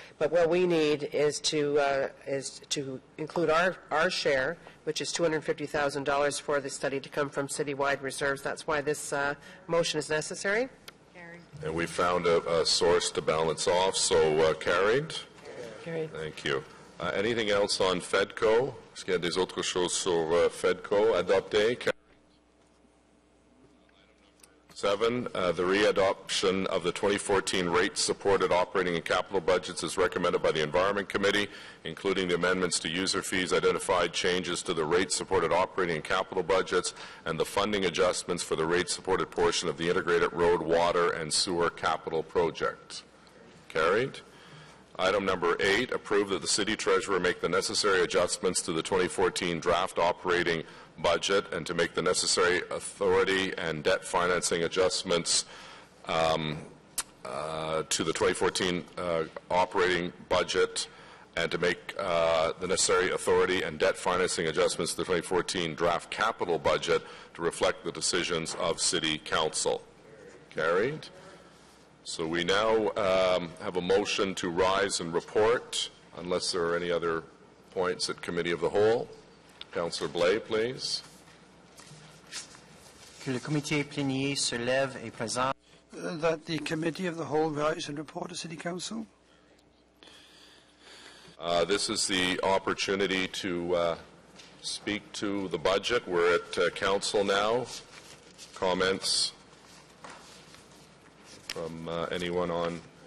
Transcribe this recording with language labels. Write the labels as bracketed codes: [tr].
[en] But what we need is to include our share, which is $250,000 for the study to come from citywide reserves. That's why this motion is necessary. Carried. And we found a source to balance off. So carried. Carried. Thank you. Anything else on FEDCO? [fr] Est-ce qu'il y a des autres choses sur FEDCO? Adopté. [en] 7, the readoption of the 2014 rate-supported operating and capital budgets as recommended by the Environment Committee, including the amendments to user fees, identified changes to the rate-supported operating and capital budgets, and the funding adjustments for the rate-supported portion of the integrated road, water, and sewer capital project. Carried. Item number 8, approve that the City Treasurer make the necessary adjustments to the 2014 draft operating budget and to make the necessary authority and debt financing adjustments to the 2014 operating budget and to make the necessary authority and debt financing adjustments to the 2014 draft capital budget to reflect the decisions of City Council. Carried. So we now have a motion to rise and report, unless there are any other points at Committee of the Whole. Councillor Blais, please. [fr] Que le comité plénier se lève et présente. [en] That the Committee of the Whole rise and report to City Council. This is the opportunity to speak to the budget. We're at Council now. Comments from anyone on?